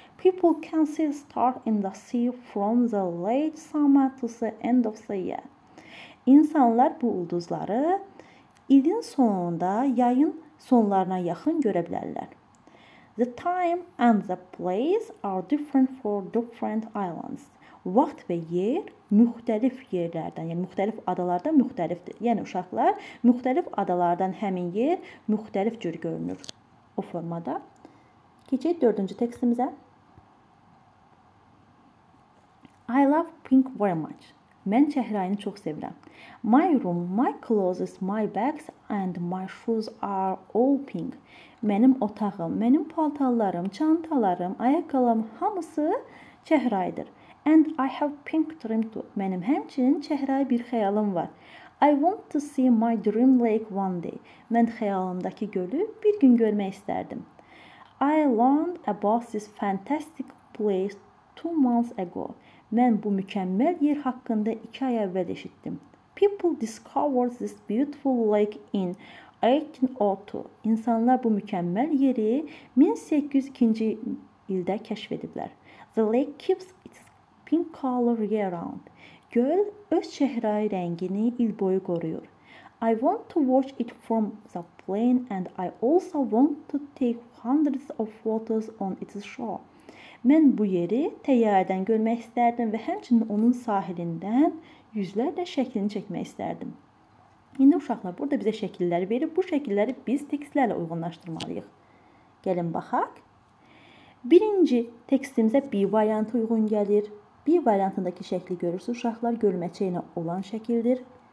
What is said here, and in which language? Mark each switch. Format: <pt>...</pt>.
<en>People can see stars in the sea from the late summer to the end of the year.</en> <az>İnsanlar bu ulduzları ilin sonunda yayın sonlarına yakın görebilirler.</az> <en>The time and the place are different for different islands.</en> <az>Vaxt ve yer müxtəlif yerlərdən, yəni müxtəlif adalardan müxtəlifdir. Yəni uşaqlar, müxtəlif adalardan həmin yer müxtəlif cür görünür o formada. Keçək 4-cü tekstimizə.</az> <en>I love pink very much.</en> <az>Mən çəhrayını çox sevirəm.</az> <en>My room, my clothes, my bags and my shoes are all pink.</en> <az>Mənim otağım, mənim paltarlarım, çantalarım, ayaqqabılarım hamısı çəhraydır.</az> <en>And I have pink dream too.</en> <az>Mənim həmçinin çəhrayı bir xəyalım var.</az> <en>I want to see my dream lake one day.</en> <az>Mən xəyalımdakı gölü bir gün görmək istərdim.</az> <en>I learned about this fantastic place 2 months ago.</en> <az>Mən bu mükəmməl yer haqqında 2 ay əvvəl eşitdim.</az> <en>People discovered this beautiful lake in 1802.</en> <az>İnsanlar bu mükəmməl yeri 1802-ci ildə kəşf ediblər.</az> <en>The lake keeps its pink color year round.</en> <az>Göl öz çəhrayı rəngini il boyu qoruyur.</az> <en>I want to watch it from the plain and I also want to take hundreds of photos on its shore.</en> <az>Mən bu yeri təyyarədən görmək istərdim və həmçinin onun sahilindən yüzlərlə şəklini çəkmək istərdim. İndi uşaqlar burada bizə şəkilləri verib, bu şəkilləri biz tekstlərlə uyğunlaşdırmalıyıq. Gəlin baxaq. Birinci tekstimizə B variantı uyğun gəlir. B variantındakı şəkli görürsünüz uşaqlar, görməçəyinə olan şəkildir.</az>